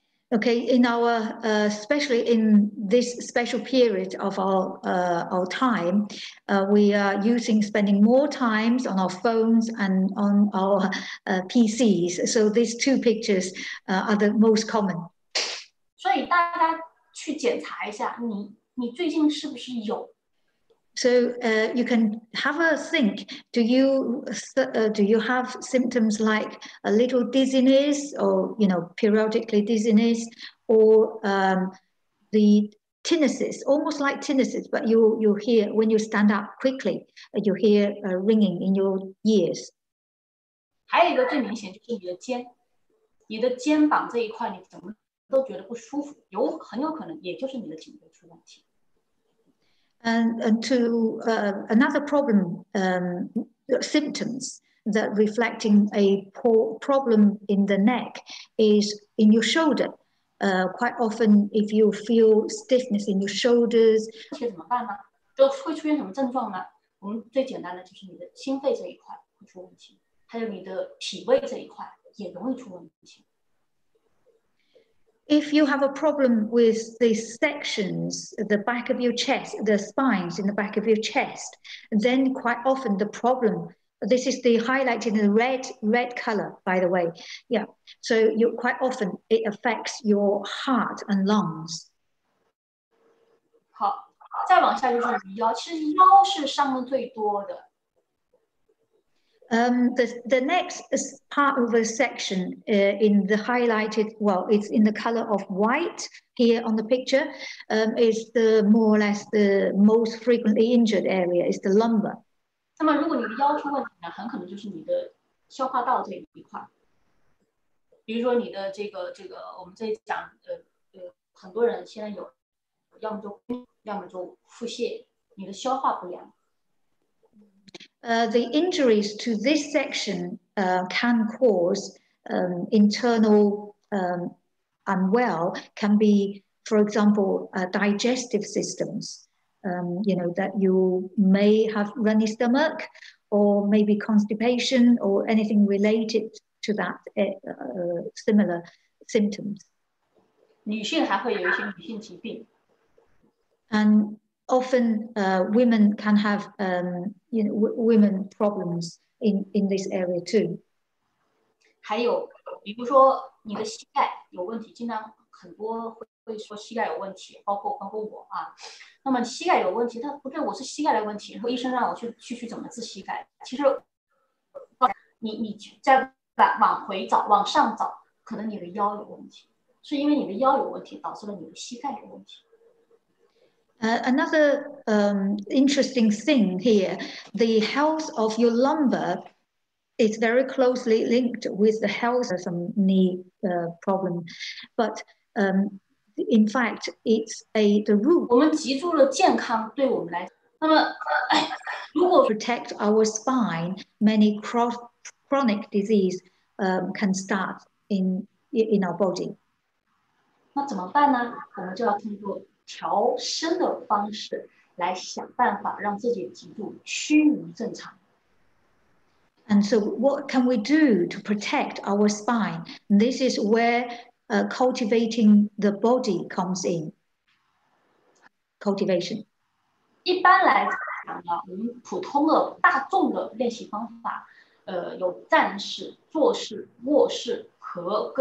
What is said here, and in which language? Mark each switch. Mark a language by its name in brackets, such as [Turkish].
[English] Okay, in our especially in this special period of our time, we are spending more times on our phones and on our PCs. So these two pictures are the most common. [Chinese] 所以大家去检查一下，你最近是不是有？ [English] So you can have a think. Do you have symptoms like a little dizziness, or you know, periodically dizziness, or the tinnitus, almost like tinnitus, but you hear when you stand up quickly, you hear a ringing in your ears. [Chinese] 还有一个最明显就是你的肩膀这一块，你怎么都觉得不舒服，很有可能也就是你的颈椎出问题。 [English] And to another problem, symptoms that reflecting a problem in the neck is in your shoulder. Quite often, if you feel stiffness in your shoulders, [Chinese] 而且怎么办呢？就会出现什么症状呢？我们最简单的就是你的心肺这一块会出问题，还有你的脾胃这一块也容易出问题。 [English] If you have a problem with the sections, the back of your chest, the spines in the back of your chest, then quite often the problem, this is the highlight in the red color, by the way. Yeah. So you quite often it affects your heart and lungs. [Chinese] 好，再往下就是腰，其实腰是伤的最多的。 [English] The next part of the section in the highlighted, well, it's in the color of white here on the picture, is the more or less the most frequently injured area, is the lumbar. [Chinese] 那么如果你的腰出问题呢，很可能就是你的消化道这一块。比如说你的这个，我们这里讲，很多人现在有，要么就腹泻，你的消化不良。 [English] The injuries to this section can cause internal unwell, can be, for example, digestive systems, you know, that you may have runny stomach or maybe constipation or anything related to that similar symptoms. [Chinese] 女性还会有一些女性疾病。 [English] And often women can have you know, women problems in this area too. [Chinese] 还有比如说你的膝盖有问题，经常很多会说膝盖有问题，包括我啊。那么膝盖有问题，他不对，我是膝盖的问题，然后医生让我去怎么治膝盖。其实你再往回找，往上找，可能你的腰有问题，是因为你的腰有问题导致了你的膝盖有问题。 [English] Another interesting thing here, the health of your lumbar is very closely linked with the health of some knee problem. But in fact, it's the root. [Chinese] 我们脊柱的健康对我们来说，那么如果 [English] protect our spine, many chronic disease can start in our body. [Chinese] 那怎么办呢？我们就要通过调身的方式来想办法让自己脊柱趋于正常。 [English] And so what can we do to protect our spine? This is where cultivating the body comes in. Cultivation. [Chinese] 一般来讲呢，我们普通的大众的练习方法，有站式、坐式、卧式和各